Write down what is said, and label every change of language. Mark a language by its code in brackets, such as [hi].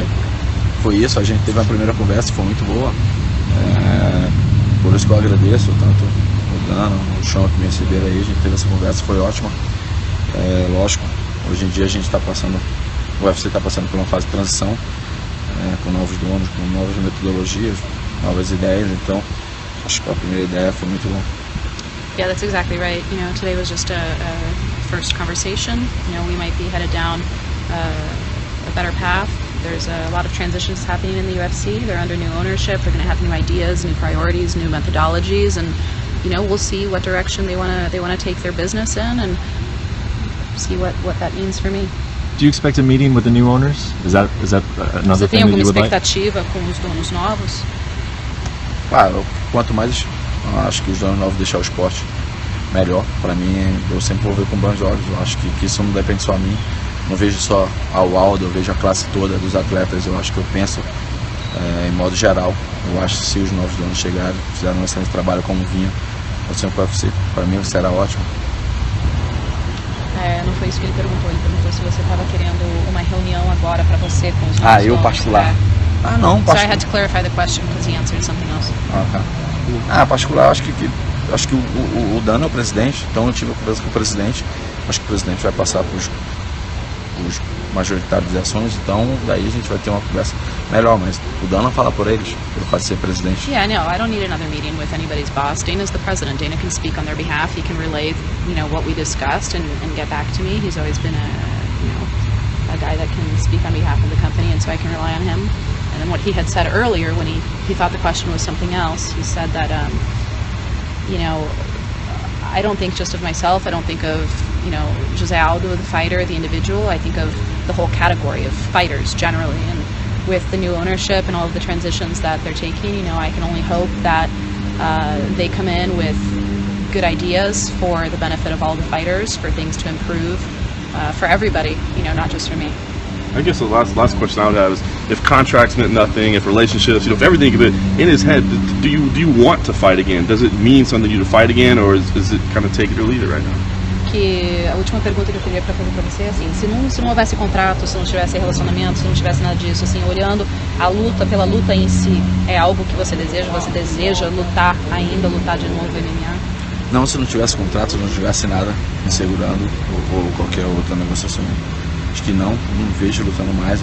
[pt] Que foi isso, a gente teve a primeira conversa, foi muito boa. Por isso que eu agradeço tanto o Dano, o Sean que me receberam aí, a gente teve essa conversa, foi ótima. Lógico, hoje em dia a gente está passando, o UFC está passando por uma fase de transição, com novos donos, com novas metodologias, novas ideias, então acho que a primeira ideia foi muito boa. [en] Yeah, that's exactly right. You know, today was just a first conversation. You know, we might be headed down a better path. There's a lot of transitions happening in the UFC. They're under new ownership. They're going to have new ideas, new priorities, new methodologies, and you know, we'll see what direction they want to take their business in, and see what that means for me. Do you expect a meeting with the new owners? Is that another thing that you would like? [pt] Você tem alguma expectativa com os donos novos? Claro, quanto mais, acho que os donos novos deixar o esporte. melhor para mim. Eu sempre vou ver com bons olhos. Eu acho que isso não depende só a mim. Não vejo só ao Aldo, eu vejo a classe toda dos atletas. Eu acho que eu penso em modo geral. Eu acho que se os novos donos chegarem, fizeram um excelente trabalho como vinha, o senhor pode ser. Para mim, você era ótimo. Não foi isso que ele perguntou. Ele perguntou se você estava querendo uma reunião agora para você com os novos donos. Particular. [en] So I had to clarify the question because he answered something else. [pt] Particular, acho que o Dano é o presidente, então eu tive a conversa com o presidente. Acho que o presidente vai passar para os majoritários de ações, então daí a gente vai ter uma conversa melhor, mas o Dana fala por eles, por fazer ser presidente. [en] Yeah, no, I don't need another meeting with anybody's boss. Dana's the president. Dana can speak on their behalf. He can relay, you know, what we discussed and get back to me. He's always been a guy that can speak on behalf of the company, and so I can rely on him. And then what he had said earlier when he thought the question was something else, he said that, you know, I don't think just of myself. I don't think of, you know, José Aldo, the fighter, the individual. I think of the whole category of fighters generally. And with the new ownership and all of the transitions that they're taking, you know, I can only hope that they come in with good ideas for the benefit of all the fighters, for things to improve for everybody, you know, not just for me. I guess the last question I would have is, if contracts meant nothing, if relationships, you know, if everything could be in his head, do you want to fight again? Does it mean something to you to fight again, or is it kind of take it or leave it right now? [pt] Que a última pergunta que eu teria para fazer para você é assim, se não houvesse contrato, se não tivesse relacionamento, se não tivesse nada disso, assim, olhando a luta pela luta em si, é algo que você deseja lutar ainda, lutar de novo em MMA? Não, se não tivesse contrato, se não tivesse nada me segurando, ou qualquer outra negociação, acho que não vejo lutando mais.